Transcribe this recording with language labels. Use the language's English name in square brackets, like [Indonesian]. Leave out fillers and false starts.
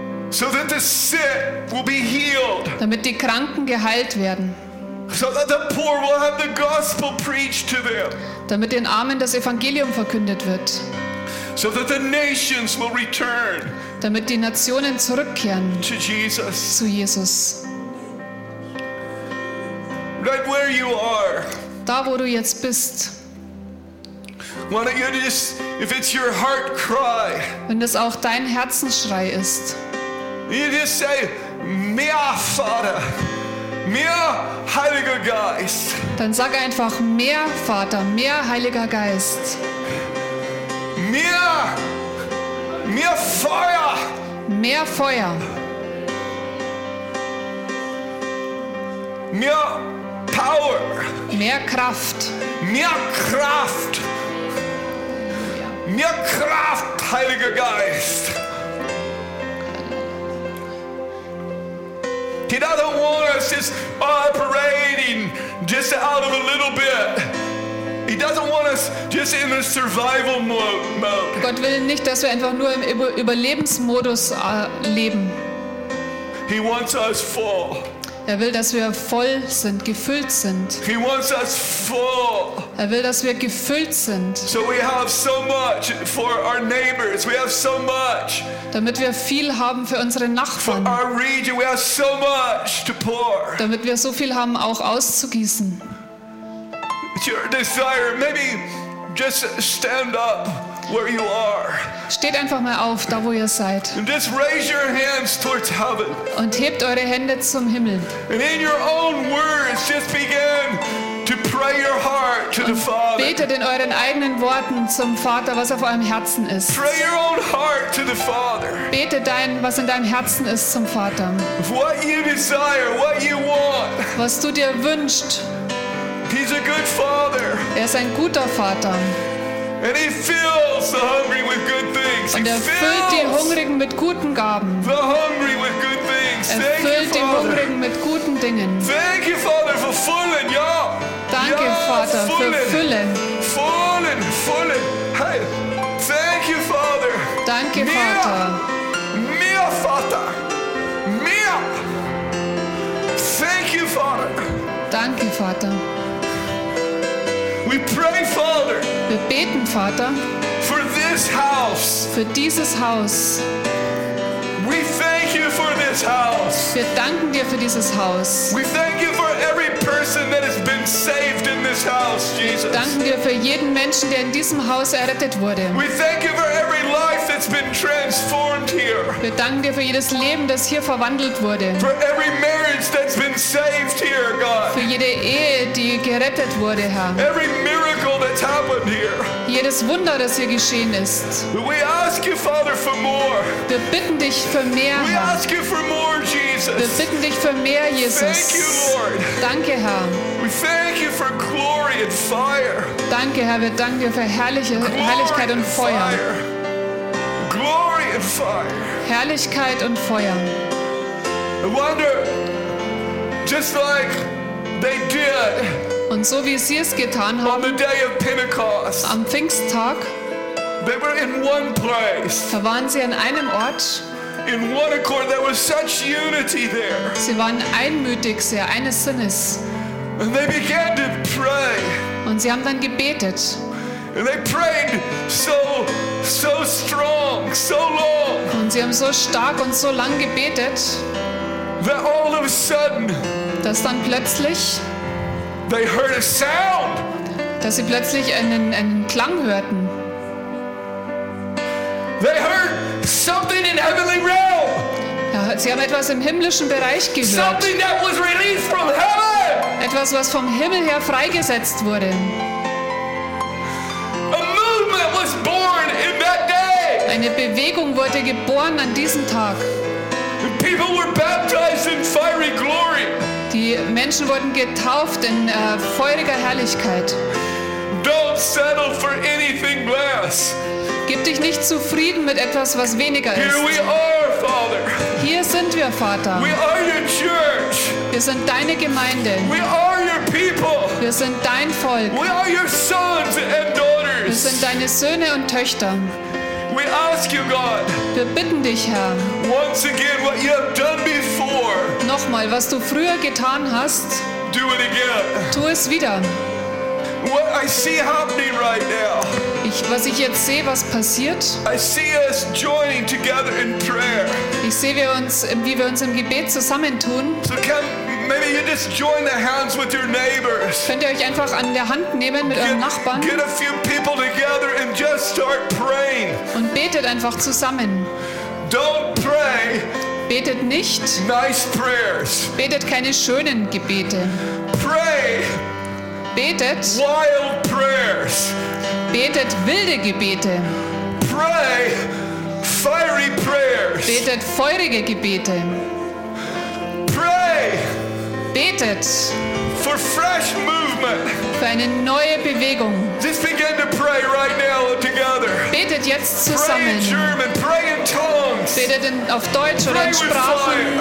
[English] so that the sick will be healed. [German] Damit die Kranken geheilt werden, [English] so that the poor will have the gospel preached to them. [German] Damit den Armen das Evangelium verkündet wird, [English] so that the nations will return. [German] Damit die Nationen zurückkehren [English] to Jesus. [German] Zu Jesus. [English] Right where you are. [German] Da wo du jetzt bist. [English] Why don't you just, if it's your heart cry. [German] Wenn es auch dein Herzensschrei ist. [English] You just say, [German] mehr Vater, mehr Heiliger Geist. Dann sag einfach mehr Vater, mehr Heiliger Geist. Mehr Feuer. Mehr Feuer. Mehr Power. Mehr Kraft. Mehr Kraft. Mehr Kraft, Heiliger Geist. [English] He doesn't want us just operating just out of a little bit. He doesn't want us just in a survival mode. [German] Gott will nicht, dass wir einfach nur im Überlebensmodus leben. [English] He wants us full. [German] Er will, dass wir voll sind, gefüllt sind. [English] He wants us full. [German] Er will, dass wir gefüllt sind. [English] So we have so much for our neighbors. We have so much. [German] Damit wir viel haben für unsere Nachbarn. [English] For our region, we have so much to pour. [German] Damit wir so viel haben, auch auszugießen. [English] It's your desire. Maybe just stand up where you are. [German] Steht einfach mal auf, da wo ihr seid. [English] And just raise your hands towards heaven. [German] Und hebt eure Hände zum Himmel. [English] And in your own words, just begin to pray your heart to the Father. [German] Betet in euren eigenen Worten zum Vater, was auf eurem Herzen ist. [English] Pray your own heart to the Father. [German] Betet dein, was in deinem Herzen ist, zum Vater. [English] What you desire, what you want. [German] Was du dir wünschst. [English] He's a good father. [German] Er ist ein guter Vater. [English] And he fills the hungry with good things. [German] Und er füllt die Hungrigen mit guten Gaben. [English] The hungry with good things. [German] Er füllt die Hungrigen mit guten Dingen. [English] Thank you, Father, for filling. [German] Ja. Danke, Vater, für Füllen. Füllen, füllen. [English] Hey, thank you, Father. [German] Danke, Vater. Mehr, Vater. Mehr. [English] Thank you, Father. [German] Danke, Vater. [English] We pray, Father. [German] Wir beten, Vater. [English] For this house. [German] Für dieses Haus. [English] We thank you for this house. [German] Wir danken dir für dieses Haus. [English] We thank you for every person that has been saved in this house, Jesus. [German] Wir danken dir für jeden Menschen, der in diesem Haus errettet wurde. [English] We thank you for every life that that's been transformed here. [German] Wir danken dir für jedes Leben, das hier verwandelt wurde. [English] For every marriage that's been saved here, God. [German] Für jede Ehe, die gerettet wurde, Herr. [English] Every miracle that's happened here. [German] Jedes Wunder, das hier geschehen ist. [English] We ask you, Father, for more. [German] Wir bitten dich für mehr, Herr. [English] We ask you for more, Jesus. [German] Wir bitten dich für mehr, Jesus. [English] Thank you, Lord. [German] Danke, Herr. [English] We thank you for glory and fire. [German] Danke, Herr, wir danken dir für Herrlichkeit und Feuer. [English] Glory and fire. [German] Herrlichkeit und Feuer. [English] I wonder, just like they did. [German] Und so wie sie es getan haben, [English] on the day of Pentecost, [German] am Pfingsttag, [English] they were in one place. [German] Da waren sie an einem Ort. [English] In one accord, there was such unity there. [German] Sie waren einmütig, sehr eines Sinnes. [English] And they began to pray. [German] Und sie haben dann gebetet. [English] And they prayed so strong, so long. [German] Und sie haben so stark und so lang gebetet. [English] That all of a sudden, [German] dass dann plötzlich, [English] they heard a sound. [German] Dass sie plötzlich einen Klang hörten. [English] They heard something in heavenly realm. [German] Ja, sie haben etwas im himmlischen Bereich gehört. [English] Something that was released from heaven. [German] Etwas, was vom Himmel her freigesetzt wurde. [English] A movement was born in that day. [German] Eine Bewegung wurde geboren an diesem Tag. [English] People were baptized in fiery glory. [German] Die Menschen wurden getauft in feuriger Herrlichkeit. [English] Don't settle for anything less. [German] Gib dich nicht zufrieden mit etwas, was weniger ist. [English] Here we are, Father. [German] Hier sind wir, Vater. [English] We are your church. [German] Wir sind deine Gemeinde. [English] We are your people. [German] Wir sind dein Volk. [English] We are your sons and daughters. [German] Wir sind deine Söhne und Töchter. [English] We ask you, God, [German] wir bitten dich, Herr, [English] once again, what you have done before, [German] nochmal, was du früher getan hast, [English] do it again. [German] Tu es wieder. [English] What I see happening right now, [German] was ich jetzt sehe, was passiert, [English] I see us joining together in prayer. [German] Ich sehe, wie wir uns im Gebet zusammentun. [English] So maybe you just join the hands with your neighbors. [German] Könnt ihr euch einfach an der Hand nehmen mit euren Nachbarn? [English] Get a few people together and just start praying. [German] Und betet einfach zusammen. [English] Don't pray. [German] Betet nicht. [English] Nice prayers. [German] Betet keine schönen Gebete. [English] Pray. [German] Betet. [English] Wild prayers. [German] Betet wilde Gebete. [English] Pray fiery prayers. [German] Betet feurige Gebete. [English] Pray. [German] Betet. [English] For fresh movement. [German] Für eine neue Bewegung. [English] Just begin to pray right now together. [German] Betet jetzt zusammen. [English] Pray in German. Pray in tongues. [German] Betet auf Deutsch oder in Sprachen.